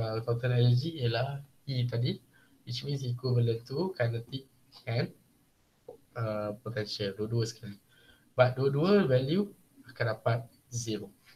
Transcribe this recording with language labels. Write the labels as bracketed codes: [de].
[ms] Total energy ialah E tadi. [en] Which means equivalent to kinetic and potential. [ms] Dua-dua sekali. But dua-dua value akan dapat zero.